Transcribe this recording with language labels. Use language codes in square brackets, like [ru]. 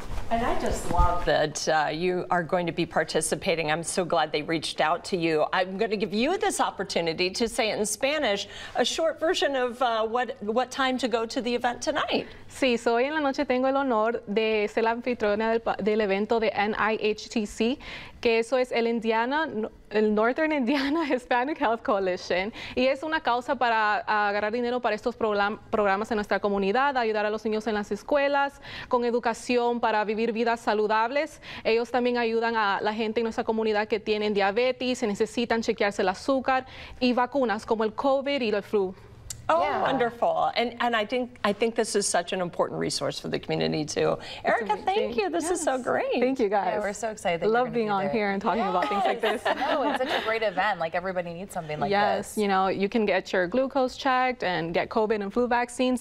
[en] And I just love that you are going to be participating. I'm so glad they reached out to you. I'm going to give you this opportunity to say in Spanish a short version of what time to go to the event tonight. [es] Sí, so hoy en la noche tengo el honor de ser la anfitriona del evento de NIHTC, que eso es el Indiana, el Northern Indiana Hispanic Health Coalition. Y es una causa para agarrar dinero para estos programas en nuestra comunidad, ayudar a los niños en las escuelas, con educación para vivir vidas saludables. Ellos también ayudan a la gente en nuestra comunidad que tienen diabetes, se necesitan chequearse el azúcar, y vacunas como el COVID y el flu. [en] Oh, yeah. Wonderful. And I think this is such an important resource for the community, too. Erica, thank you. This is so great. Thank you, guys. Yeah, we're so excited. Love being on here and talking about things like this. No, it's such a great event. Like, everybody needs something like this. Yes. You know, you can get your glucose checked and get COVID and flu vaccines.